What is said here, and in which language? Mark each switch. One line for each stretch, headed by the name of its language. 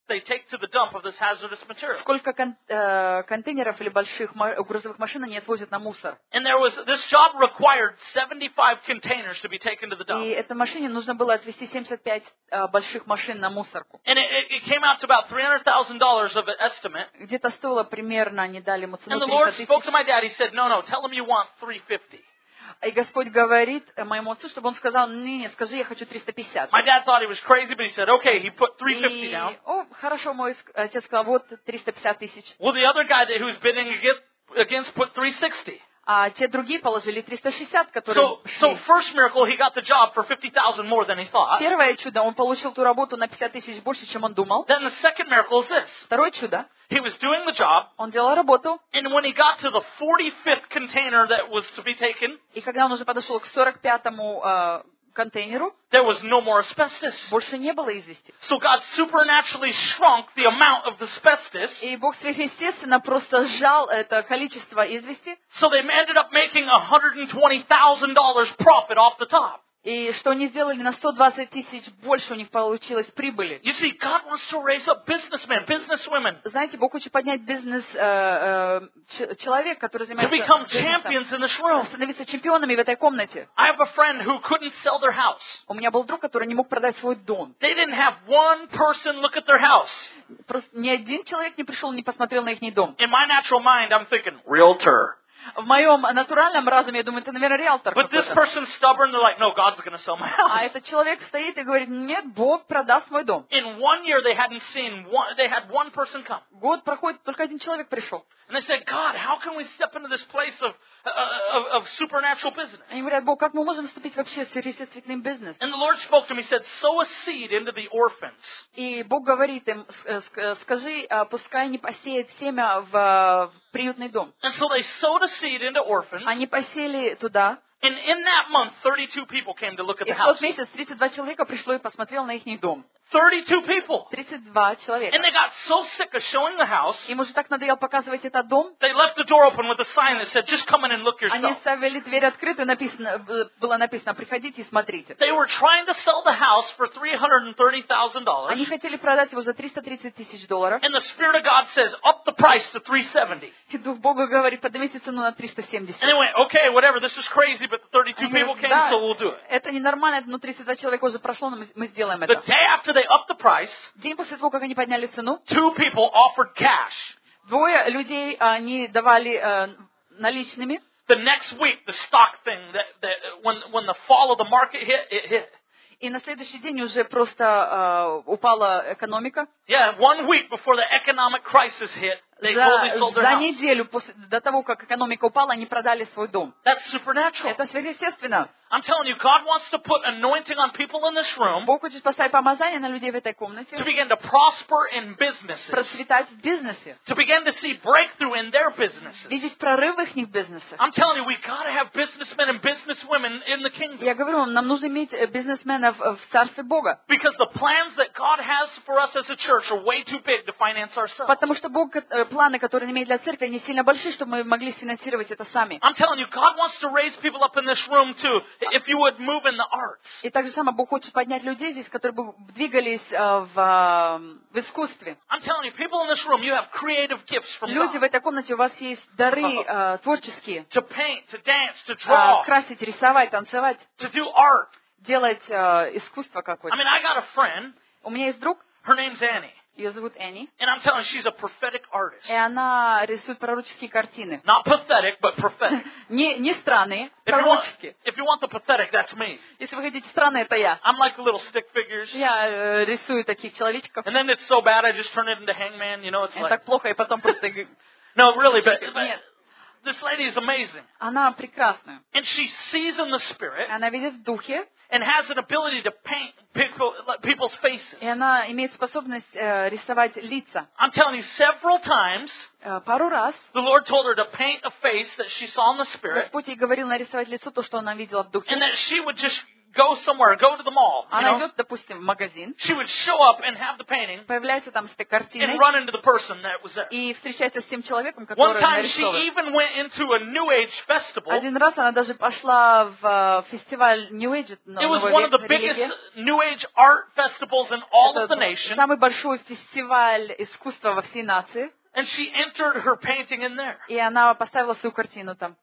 English: they take to the dump of this hazardous material.
Russian: Сколько контейнеров или больших грузовых машин они отвозят на мусор?
English: And there was this job required 75 containers to be taken to the dump.
Russian: И этой машине нужно было отвезти 75 больших машин на мусорку.
English: And it came out to about $300,000 of an estimate.
Russian: Где-то стоило примерно, они дали ему цену.
English: And the Lord spoke to my dad. He said, "No, no, tell him you want 350."
Russian: И Господь говорит моему отцу, чтобы он сказал: "Не, скажи, я хочу 350".
English: My dad thought he was crazy, but he said, "Okay, he put 350 down".
Russian: О, хорошо, мой отец сказал: "Вот 350 000".
English: Well, the other guy who's bidding against put 360.
Russian: А те другие положили 360, которые.
English: So first miracle, he got the job for 50,000 more than he thought.
Russian: Первое чудо, он получил ту работу на 50 000 больше, чем он думал.
English: Then the second miracle is this.
Russian: Второе чудо.
English: He was doing the job.
Russian: Он делал работу.
English: And when he got to the 45th container that was to be taken.
Russian: И когда он уже подошел к 45-му контейнеру.
English: There was no more asbestos.
Russian: Больше не было известия.
English: So God supernaturally shrunk the amount of asbestos.
Russian: И Бог сверхъестественно просто сжал это количество извести.
English: So they ended up making $120,000 profit off the top.
Russian: И что они сделали, на 120 000 больше у них получилось прибыли.
English: You see, God wants to raise up businessmen, businesswomen.
Russian: Знаете, Бог хочет поднять бизнес человек, который занимается бизнесом.
English: To become champions in this room.
Russian: Становиться чемпионами в этой комнате.
English: I have a friend who couldn't sell their house.
Russian: У меня был друг, который не мог продать свой дом.
English: They didn't have one person look at their house.
Russian: Просто ни один человек не пришел, не посмотрел на их дом.
English: In my natural mind, I'm thinking, realtor.
Russian: В моем натуральном разуме, я думаю, это, наверное, риэлтор.
English: But this person stubborn, they're like, no, God's going to sell my house.
Russian: А этот человек стоит и говорит, нет, Бог продаст мой дом.
English: In one year they hadn't seen one, they had one person come.
Russian: Год проходит, только один человек пришел.
English: And they said, God, how can we step into this place of supernatural business?
Russian: Они говорят, Бог, как мы можем вступить вообще в сверхъестественный бизнес?
English: And the Lord spoke to me, said, sow a seed into the orphans.
Russian: И Бог говорит им, скажи, пускай они посеют семя в приютный дом.
English: And so they sowed a seed into orphans.
Russian: Они посеяли туда.
English: And in that month, 32 people came to look at the house.
Russian: И в тот месяц 32 человека пришло и посмотрело на их дом.
English: 32 people.
Russian: 32 человека.
English: And they got so sick of showing the house.
Russian: Им уже так надоело показывать этот дом.
English: They left the door open with a sign that said, "Just come in and look yourself."
Russian: Они оставили дверь открытой, было написано, приходите и смотрите.
English: They were trying to sell the house for $330,000.
Russian: Они хотели продать его за $330,000.
English: And the Spirit of God says, "Up the price to $370."
Russian: И Дух Бога говорит, поднимите цену на 370.
English: And they went, "Okay, whatever. This is crazy, but the 32 people came, so we'll do it."
Russian: Это ненормально, но 32 человека уже прошло, но мы сделаем это.
English: The day after they upped the price.
Russian: День после того, как они подняли цену,
English: two people offered cash.
Russian: Двое людей они давали наличными.
English: The next week, the stock thing that when the fall of the market hit, it hit.
Russian: И на следующий день уже просто упала экономика.
English: Yeah, one week before the economic crisis hit, they totally sold their house.
Russian: За неделю до того, как экономика упала, они продали свой дом.
English: That's supernatural.
Russian: Это сверхъестественно.
English: I'm telling you, God wants to put anointing on people in this room.
Russian: Бог хочет поставить помазание на людей в этой комнате.
English: To begin to prosper in businesses.
Russian: Процветать в бизнесе.
English: To begin to see breakthrough in their businesses.
Russian: Видеть прорыв в их бизнесах.
English: I'm telling you, we got to have businessmen and businesswomen in the kingdom.
Russian: Я говорю вам, нам нужно иметь бизнесменов в царстве Бога.
English: Because the plans that God has for us as a church are way too big to finance ourselves.
Russian: Потому что Бог планы, которые имеет для церкви, они сильно большие, чтобы мы могли финансировать это сами.
English: I'm telling you, God wants to raise people up in this room to if you would move in the arts.
Russian: И так же самое, Бог хочет поднять людей здесь, которые бы двигались в искусстве.
English: I'm telling you, people in this room, you have creative gifts from God.
Russian: Люди в этой комнате, у вас есть дары творческие.
English: To paint, to dance, to draw.
Russian: Красить, рисовать, танцевать.
English: To do art.
Russian: Делать искусство какое-то.
English: I mean, I got a friend.
Russian: У меня есть друг.
English: Her name's Annie.
Russian: Ее зовут Энни.
English: And I'm telling you, she's a prophetic artist.
Russian: И она рисует пророческие картины.
English: Not pathetic, but prophetic.
Russian: не странные, пророческие.
English: If you want the pathetic, that's me.
Russian: Если вы хотите странные, это я.
English: I'm like little stick figures.
Russian: Я рисую таких человечков.
English: And then it's so bad, I just turn it into hangman. You know, it's like.
Russian: И так плохо, и потом просто.
English: No, really, but this lady is amazing.
Russian: Она прекрасная.
English: And she sees in the spirit.
Russian: Она видит в духе.
English: And has an ability to paint people's faces.
Russian: И она имеет способность рисовать лица.
English: I'm telling you, several times.
Russian: Пару раз.
English: The Lord told her to paint a face that she saw in the spirit.
Russian: Господь ей говорил нарисовать лицо то, что она видела в духе.
English: And that she would just go somewhere, go to the mall.
Russian: Она идет, допустим, в магазин.
English: She would show up and have the painting.
Russian: Появляется там с этой картиной.
English: And run into the person that was there.
Russian: И встречается с тем человеком, который нарисован.
English: One time she even went into a New Age festival.
Russian: Один раз она даже пошла в фестиваль New Age.
English: It was one of the biggest New Age art festivals in all of the nation.
Russian: Самый большой фестиваль искусства во всей нации.
English: And she entered her painting in there.
Russian: И она поставила свою картину там.